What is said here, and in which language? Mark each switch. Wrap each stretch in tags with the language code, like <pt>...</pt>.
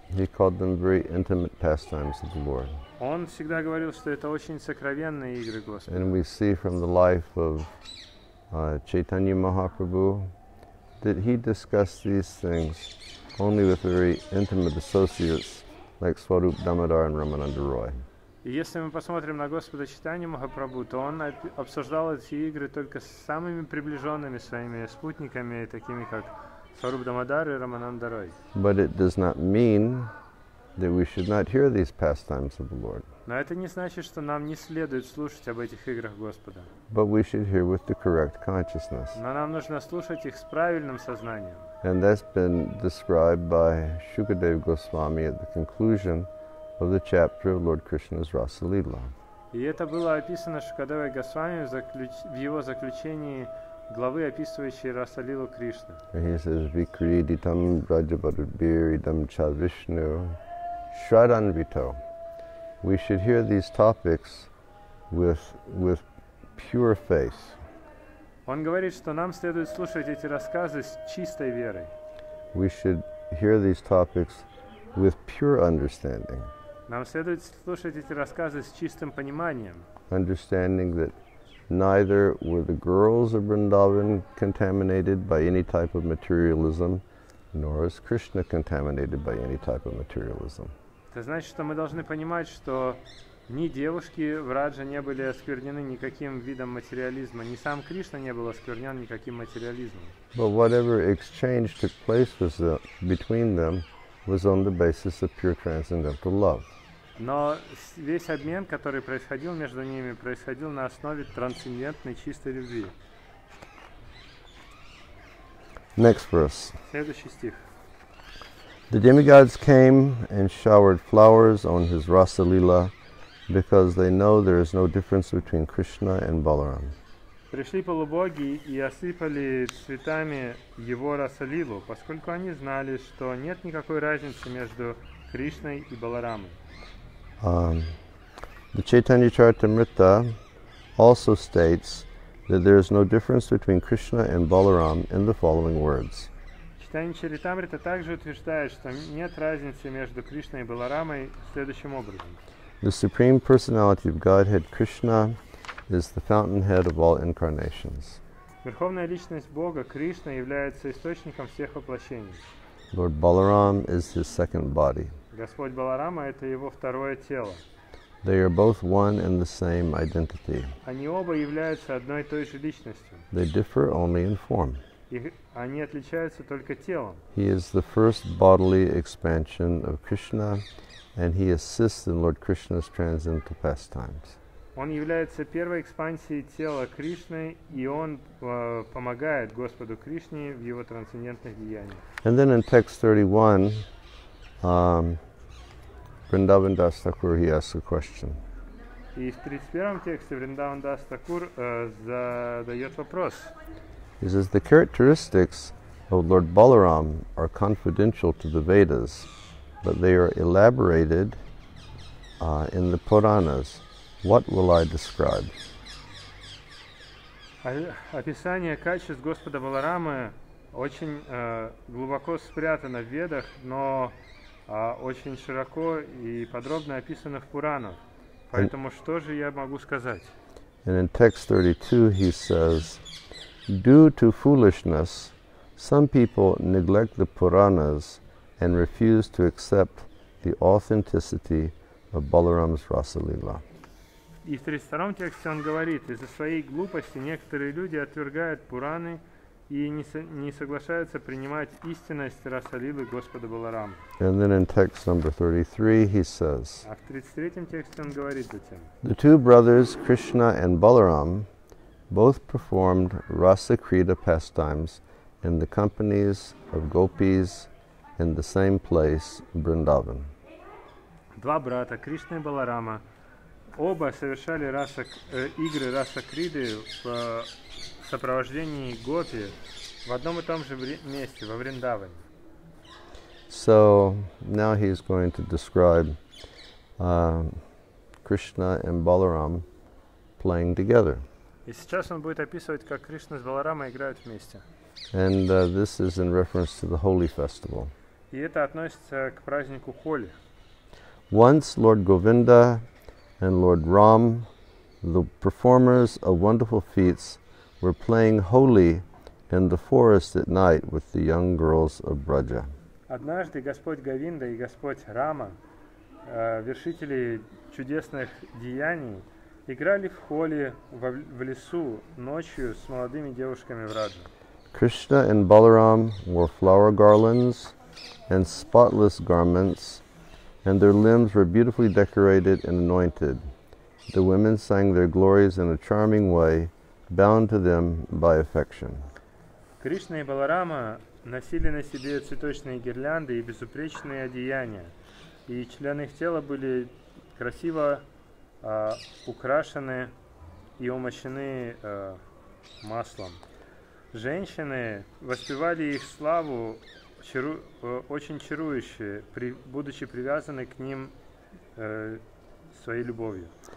<en>He called them very intimate pastimes of the Lord.</en> <ru>Он всегда говорил, что это очень сокровенные игры Господа.</ru> <en>And we see from the life of Chaitanya Mahaprabhu that he discussed these things only with very intimate associates like Swarup Damodar and Ramananda Roy.</en> <ru>Если мы посмотрим на Господа Чайтанью Махапрабху, то он обсуждал эти игры только с самыми приближенными своими спутниками, такими как Сваруп Дамодар и Рамананда Рой.</ru> <en>But it does not mean that we should not hear these pastimes of the Lord.</en> <ru>Но это не значит, что нам не следует слушать об этих играх Господа.</ru> <en>But we should hear with the correct consciousness.</en> <ru>Но нам нужно слушать их с правильным сознанием.</ru> <en>And that's been described by Shukadeva Goswami at the conclusion of the chapter of Lord Krishna's Rasa Lila.</en> <ru>И это было описано Шукадевой Госвами в его заключении главы, описывающей Раса Лилу Кришны.</ru> <en>He says,</en> <sa>Vikriditam Rajabharudbiridam Cha Vishnu Shradanvito.</sa> <en>We should hear these topics with pure faith.</en> <ru>Он говорит, что нам следует слушать эти рассказы с чистой верой.</ru> <en>We should hear these topics with pure understanding.</en> <ru>Нам следует слушать эти рассказы с чистым пониманием.</ru> <en>Understanding that neither were the girls of Vrindavan contaminated by any type of materialism, nor is Krishna contaminated by any type of materialism.</en> <ru>Это значит, что мы должны понимать, что ни девушки в Радже не были осквернены никаким видом материализма, ни сам Кришна не был осквернен никаким материализмом.</ru> <en>But whatever exchange took place was between them was on the basis of pure transcendental love.</en> <ru>Но весь обмен, который происходил между ними, происходил на основе трансцендентной чистой любви.</ru> <en>Next verse.</en> <ru>Следующий стих.</ru> <en>The demigods came and showered flowers on his Rasa Lila, because they know there is no difference between Krishna and Balaram.</en> <ru>Пришли полубоги и осыпали цветами его Rasa Lilu, поскольку они знали, что нет никакой разницы между Кришной и Баларамой.</ru> <en>The Chaitanya Charitamrita also states that there is no difference between Krishna and Balaram in the following words.</en> <ru>Chaitanya Charitamrita также утверждает, что нет разницы между Кришной и Баларамой следующим образом.</ru> <en>The Supreme Personality of Godhead Krishna is the fountainhead of all incarnations.</en> <ru>Верховная личность Бога Кришна является источником всех воплощений.</ru> <en>Lord Balaram is his second body.</en> <ru>Господь Баларама – это его второе тело.</ru> <en>They are both one and the same identity.</en> <ru>Они оба являются одной и той же личностью.</ru> <en>They differ only in form.</en> <ru>Они отличаются только телом.</ru> <en>He is the first bodily expansion of Krishna, and he assists in Lord Krishna's transcendental pastimes.</en> <ru>Он является первой экспансией тела Кришны, и он помогает Господу Кришне в его трансцендентных деяниях.</ru> <en>And then in text 31, Vrindavan Das Thakur, he asks a question.</en> <ru>И в 31-м тексте Vrindavan Das Thakur задает вопрос.</ru> <en>He says, the characteristics of Lord Balaram are confidential to the Vedas, but they are elaborated in the Puranas. What will I describe?</en> <ru>Описание качеств Господа Баларамы очень глубоко спрятано в Ведах, но очень широко и подробно описано в Пуранах. Поэтому что же я могу сказать?</ru> <en>And in text 32 he says, due to foolishness, some people neglect the Puranas and refuse to accept the authenticity of Balaram's Rasalila.</en> <ru>И в 32-м тексте он говорит, из-за своей глупости некоторые люди отвергают Пураны и не соглашаются принимать истинность Расалилы Господа Баларам.</ru> <en>And then in text number 33 he says,</en> <ru>а в 33-м тексте он говорит затем,</ru> <en>the two brothers, Krishna and Balaram, both performed Rasakrita pastimes in the companies of gopis in the same place, Vrindavan.</en> <ru>Два брата, Кришна и Баларама, оба совершали игры Расакриды в сопровождении гопи в одном и том же месте, во Вриндаване.</ru> <en>So, now he's going to describe Krishna and Balaram playing together.</en> <ru>И сейчас он будет описывать, как Кришна с Баларамой играют вместе.</ru> <en>And this is in reference to the Holi festival.</en> <ru>И это относится к празднику Холи.</ru> <en>Once Lord Govinda and Lord Ram, the performers of wonderful feats, were playing Holi in the forest at night with the young girls of Braja.</en> <ru>Однажды Господь Говинда и Господь Рама, вершители чудесных деяний, играли в Холи в лесу ночью с молодыми девушками в Радже.</ru> <en>Krishna and Balaram wore flower garlands and spotless garments, and their limbs were beautifully decorated and anointed. The women sang their glories in a charming way, bound to them by affection.</en> <ru>Кришна и Баларама носили на себе цветочные гирлянды и безупречные одеяния, и члены их тела были красиво украшены и умощены маслом. Женщины воспевали их славу очень чарующе, будучи привязаны к ним своей любовью.</ru>